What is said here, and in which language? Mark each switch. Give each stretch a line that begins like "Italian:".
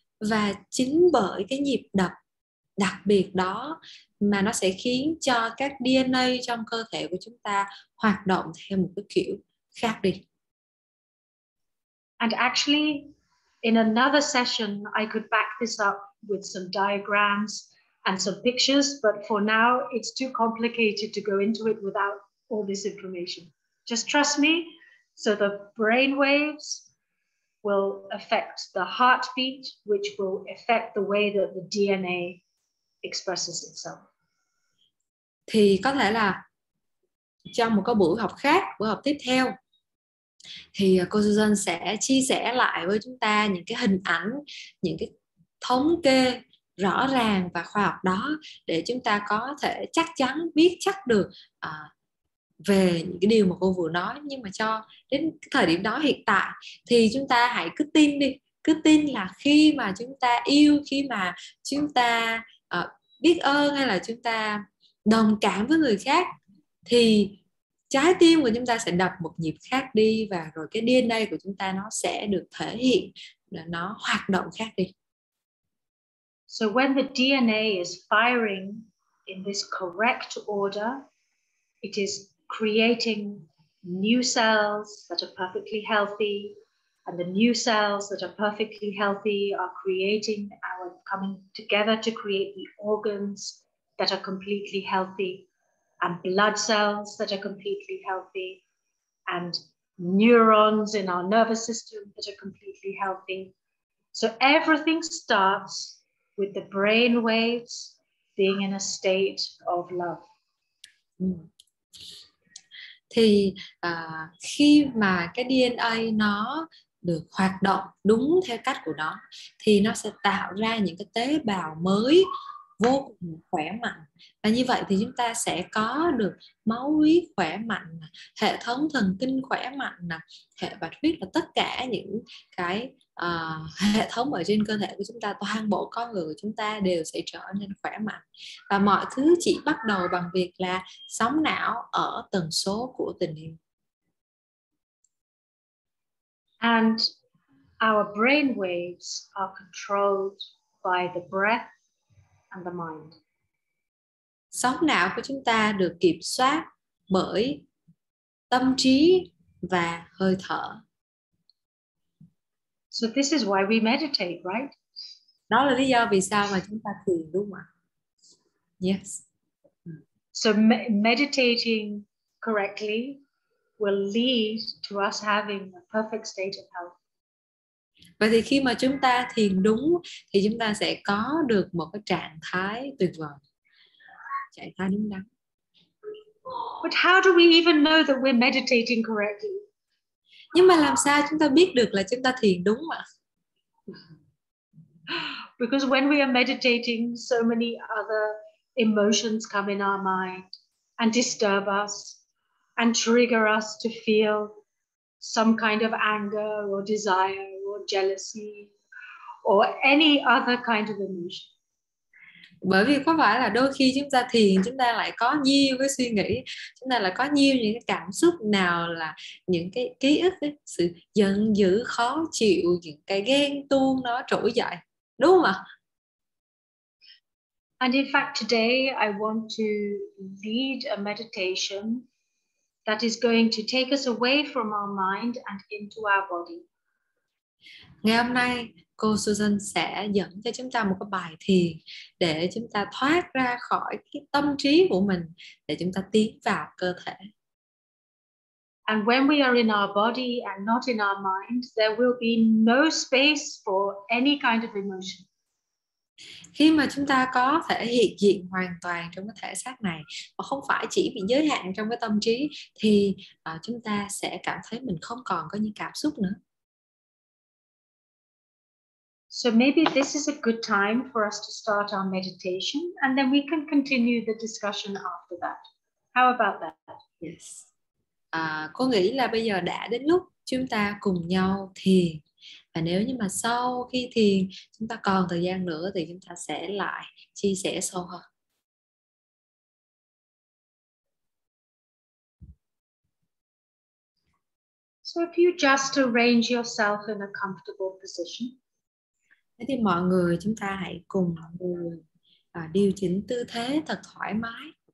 Vietnamese: Và chính bởi cái nhịp đập đặc biệt đó mà nó sẽ khiến cho các DNA trong cơ thể của chúng ta hoạt động theo một cái kiểu khác đi.
English: And actually, in another session, I could back this up with some diagrams and some pictures, but for now, it's too complicated to go into it without all this information. Just trust me, so the brain waves will affect the heartbeat, which will affect the way that the DNA expresses itself.
Vietnamese: Thì có thể là trong một cái buổi học khác, buổi học tiếp theo, thì cô Susan sẽ chia sẻ lại với chúng ta những cái hình ảnh, những cái thống kê rõ ràng và khoa học đó để chúng ta có thể chắc chắn biết chắc được về những cái điều mà cô vừa nói. Nhưng mà cho đến thời điểm đó hiện tại thì chúng ta hãy cứ tin đi, cứ tin là khi mà chúng ta yêu, khi mà chúng ta biết ơn hay là chúng ta đồng cảm với người khác, thì trái tim của chúng ta sẽ đập một nhịp khác đi, và rồi cái DNA của chúng ta nó sẽ được thể hiện, nó hoạt động khác đi.
English: So when the DNA is firing in this correct order, it is creating new cells that are perfectly healthy, and the new cells that are perfectly healthy are creating our coming together to create the organs that are completely healthy, and blood cells that are completely healthy, and neurons in our nervous system that are completely healthy. So everything starts with the brain waves being in a state of love.
Vietnamese: Thì khi mà cái DNA nó được hoạt động đúng theo cách của nó, thì nó sẽ tạo ra những cái tế bào mới vô cùng khỏe mạnh, và như vậy thì chúng ta sẽ có được máu huyết khỏe mạnh, hệ thống thần kinh khỏe mạnh, hệ bạch huyết, và tất cả những cái hệ thống ở trên cơ thể của chúng ta, toàn bộ con người của chúng ta đều sẽ trở nên khỏe mạnh. Và mọi thứ chỉ bắt đầu bằng việc là sóng não ở tần số của tình yêu.
English: And our brain waves are controlled by the breath and the mind.
Vietnamese: Sóng não của chúng ta được kiểm soát bởi tâm trí và hơi thở.
English: So this is why we meditate, right?
Vietnamese: Đó là lý do vì sao mà chúng ta thiền, đúng không ạ?
English: Yes. So meditating correctly will lead to us having a perfect state of health.
Vietnamese: Vậy thì khi mà chúng ta thiền đúng thì chúng ta sẽ có được một cái trạng thái tuyệt vời. Trạng thái đúng đắn.
English: But how do we even know that we're meditating correctly?
Vietnamese: Nhưng mà làm sao chúng ta biết được là chúng ta thiền đúng mà?
English: Because when we are meditating, so many other emotions come in our mind and disturb us and trigger us to feel some kind of anger or desire. Jealousy or any other kind of emotion.
Vietnamese: Bởi vì có phải là đôi khi chúng ta thiền chúng ta lại có nhiều cái suy nghĩ, chúng ta lại có nhiều những cái cảm xúc, nào là những cái ký ức ấy, sự giận dữ, khó chịu, những cái ghen tuông nó trỗi dậy, đúng không ạ?
English: And in fact today I want to lead a meditation that is going to take us away from our mind and into our body.
Vietnamese: Ngày hôm nay cô Susan sẽ dẫn cho chúng ta một cái bài thiền để chúng ta thoát ra khỏi cái tâm trí của mình, để chúng ta tiến vào cơ thể.
English: And when we are in our body and not in our mind, there will be no space for any kind of emotion.
Vietnamese: Khi mà chúng ta có thể hiện diện hoàn toàn trong cái thể xác này mà không phải chỉ bị giới hạn trong cái tâm trí, thì chúng ta sẽ cảm thấy mình không còn có những cảm xúc nữa.
English: So maybe this is a good time for us to start our meditation and then we can continue the discussion after that. How about that? Yes.
Vietnamese: Cô nghĩ là bây giờ đã đến lúc chúng ta cùng nhau thiền. Và nếu như mà sau khi thiền chúng ta còn thời gian nữa thì chúng ta sẽ lại chia sẻ sâu hơn.
English: So if you just arrange yourself in a comfortable position.
Vietnamese: Thế thì mọi người chúng ta hãy cùng ngồi và điều chỉnh tư thế thật thoải mái.